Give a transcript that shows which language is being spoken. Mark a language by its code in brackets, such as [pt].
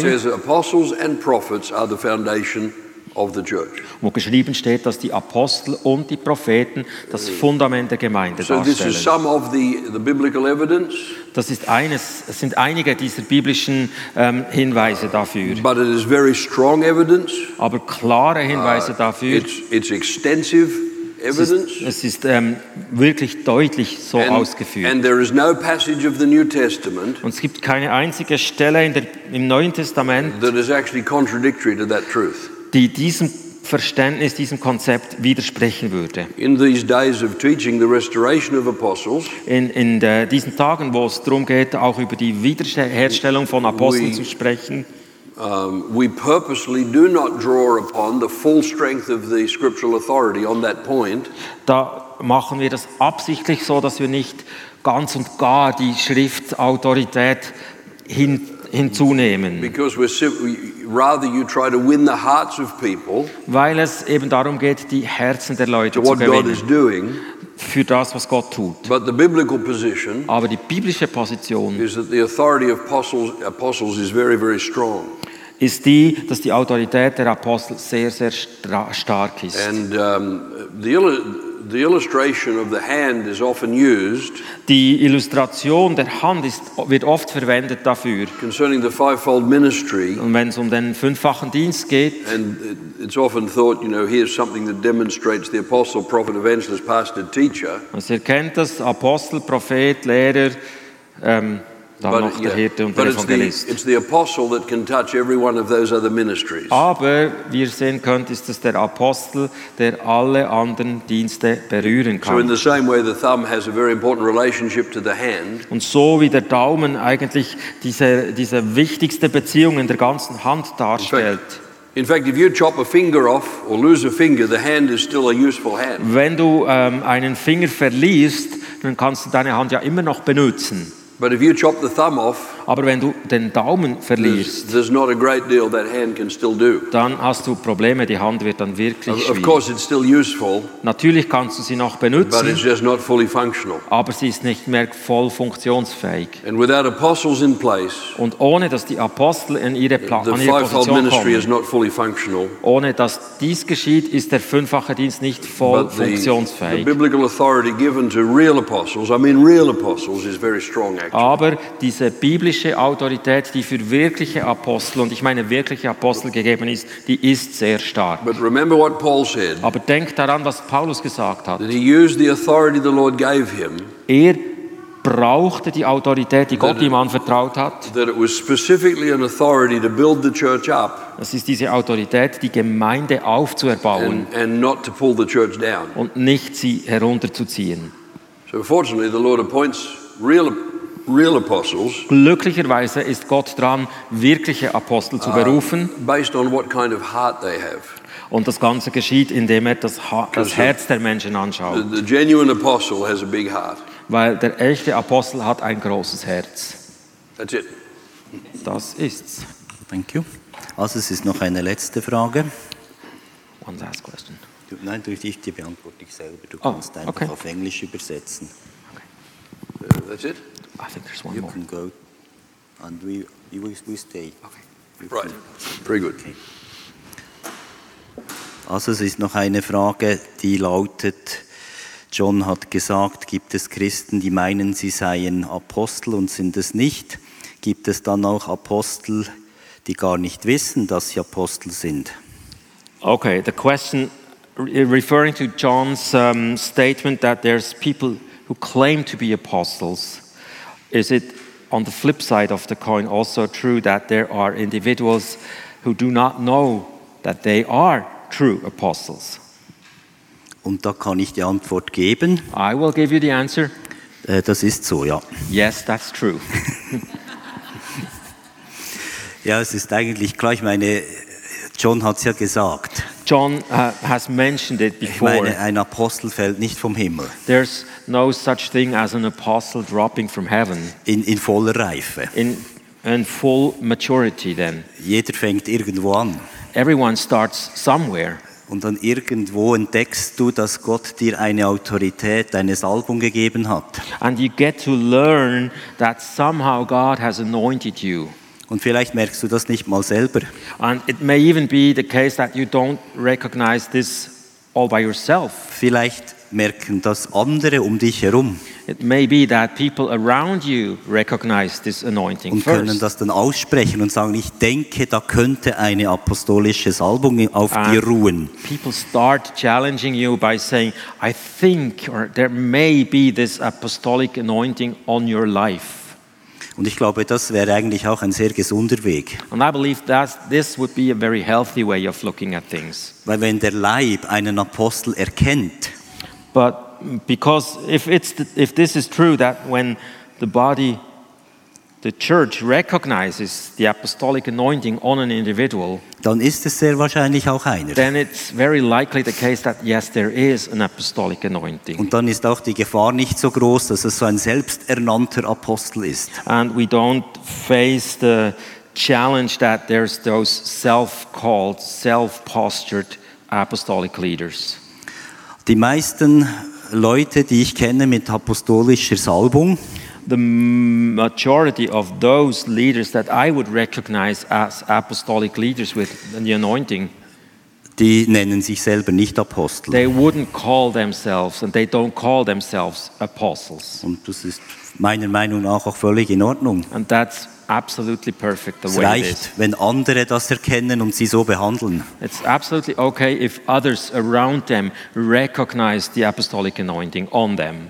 [en] It says apostles and prophets are the foundation of the church. [de] Wo geschrieben steht, dass die Apostel und die Propheten das Fundament der Gemeinde darstellen. [en] So this is some of the biblical evidence. [de] Das ist eines, es sind einige dieser biblischen Hinweise dafür. [en] But it is very strong evidence. [de] Aber klare Hinweise dafür. [en] It's extensive evidence. [de] Es ist wirklich deutlich so ausgeführt. [en] And there is no passage of the New Testament. [de] Und es gibt keine einzige Stelle im Neuen Testament, [en] that is actually contradictory to that truth. [de] Die diesem Verständnis, diesem Konzept widersprechen würde. [en] In these days of teaching the restoration of apostles, [de] in diesen Tagen, wo es darum geht, auch über die Wiederherstellung von Aposteln zu sprechen, [en] we purposely do not draw upon the full strength of the scriptural authority on that point. [de] Da machen wir das absichtlich so, dass wir nicht ganz und gar die Schriftautorität hinzunehmen. [en] Because we're simply, rather you try to win the hearts of people. [de] Weil es eben darum geht, die Herzen der Leute [en] to what [de] zu gewinnen. [en] God is doing. [de] Für das, was Gott tut. [en] But the biblical position. [de] Aber die biblische Position. [en] Is that the authority of apostles is very, very strong. [de] Ist die, dass die Autorität der Apostel sehr, sehr stark ist. [en] And the illustration of the hand is often used. [de] Die Illustration der Hand wird oft verwendet dafür. [en] Concerning the fivefold ministry. [de] Und wenn es um den fünffachen Dienst geht. [en] And it's often thought, you know, here's something that demonstrates the apostle, prophet, evangelist, pastor, teacher. [de] Man erkennt das Apostel, Prophet, Lehrer, dann noch der Hirte und der Evangelist. [en] It's the apostle that can touch every one of those other ministries. [de] Aber wie ihr sehen könnt, ist es der Apostel, der alle anderen Dienste berühren kann. [en] So in the same way the thumb has a very important relationship to the hand. [de] Und so wie der Daumen eigentlich diese wichtigste Beziehung in der ganzen Hand darstellt. [en] In fact, if you chop a finger off or lose a finger, the hand is still a useful hand. [de] Wenn du einen Finger verlierst, dann kannst du deine Hand ja immer noch benutzen. [en] But if you chop the thumb off, [de] aber wenn du den Daumen verlierst, [en] there's not a great deal that hand can still do. [de] Dann hast du Probleme, die Hand wird dann wirklich schwierig. [en] Of course it's still useful, [de] natürlich kannst du sie noch benutzen, [en] but it's just not fully functional. [de] Aber sie ist nicht mehr voll funktionsfähig. [en] And without apostles in place, [de] und ohne dass die Apostel in ihre Position kommen, [en] the fivefold ministry is not fully functional. [de] Ohne dass dies geschieht, ist der fünffache Dienst nicht voll funktionsfähig. [en] The biblical authority given to real apostles, I mean real apostles, is very strong. [de] Aber diese biblische Autorität, die für wirkliche Apostel, und ich meine wirkliche Apostel, gegeben ist, die ist sehr stark. [en] But remember what Paul said. [de] Aber denkt daran, was Paulus gesagt hat. [en] That he used the authority the Lord gave him. [de] Er brauchte die Autorität, die Gott ihm anvertraut hat. [en] That it was specifically an authority to build the church up. [de] Das ist diese Autorität, die Gemeinde aufzuerbauen. [en] And not to pull the church down. [de] Und nicht sie herunterzuziehen. [en] So fortunately the Lord appoints real apostles. [de] Glücklicherweise ist Gott dran, wirkliche Apostel zu berufen. [en] Based on what kind of heart they have. [de] Und das Ganze geschieht, indem er das Herz der Menschen anschaut. [en] The genuine apostle has a big heart. [de] Weil der echte Apostel hat ein großes Herz. [en] That's it. [de] Das ist's. [en] Thank you. [de] Also es ist noch eine letzte Frage. [en] One last question. [de] Nein, durch dich, die beantworte ich selber. Du kannst einfach [en] okay. [de] auf Englisch übersetzen. [en] That's it. I think there's one you more. You can go, and we stay. Okay. Right. Very good. Okay. [de] Also es ist noch eine Frage, die lautet: John hat gesagt, gibt es Christen, die meinen, sie seien Apostel und sind es nicht? Gibt es dann auch Apostel, die gar nicht wissen, dass sie Apostel sind? [en] Okay. The question referring to John's statement that there's people who claim to be apostles. Is it on the flip side of the coin also true that there are individuals who do not know that they are true apostles? [de] Und da kann ich die Antwort geben. [en] I will give you the answer. [de] Das ist so, ja. [en] Yes, that's true. [de] Ja, es ist eigentlich klar, ich meine, John hat es ja gesagt. [en] John has mentioned it before. [de] Ich meine, ein Apostel fällt nicht vom Himmel. [en] There's no such thing as an apostle dropping from heaven. [de] In voller Reife. [en] In full maturity then. [de] Jeder fängt irgendwo an. [en] Everyone starts somewhere. [de] Und dann irgendwo entdeckst du, dass Gott dir eine Autorität, eine Salbung gegeben hat. [en] And you get to learn that somehow God has anointed you. [de] Und vielleicht merkst du das nicht mal selber. [en] And it may even be the case that you don't recognize this all by yourself. [de] Vielleicht merken das andere um dich herum. [en] It may be that people around you recognize this anointing first. [de] Und können das dann aussprechen und sagen, ich denke, da könnte eine apostolische Salbung auf dir ruhen. [en] People start challenging you by saying, I think, or there may be this apostolic anointing on your life. [de] Und ich glaube, das wäre eigentlich auch ein sehr gesunder Weg. [en] And I believe that this would be a very healthy way of looking at things. [de] Weil wenn der Leib einen Apostel erkennt, [en] but because if this is true that when the body, the church recognizes the apostolic anointing on an individual, [de] dann ist es sehr wahrscheinlich auch einer. [en] Then it's very likely the case that yes, there is an apostolic anointing. [de] Und dann ist auch die Gefahr nicht so groß, dass es so ein selbsternannter Apostel ist. [en] And we don't face the challenge that there's those self-called, self-postured apostolic leaders. [de] Die meisten Leute, die ich kenne mit apostolischer Salbung, [en] the majority of those leaders that I would recognize as apostolic leaders with the anointing, [de] die nennen sich selber nicht Apostel. [en] They wouldn't call themselves and they don't call themselves apostles. [de] Und das ist meiner Meinung nach auch völlig in Ordnung. [en] And that's absolutely perfect the way it is. [de] Es reicht, wenn andere das erkennen und sie so behandeln. [en] It's absolutely okay if others around them recognize the apostolic anointing on them.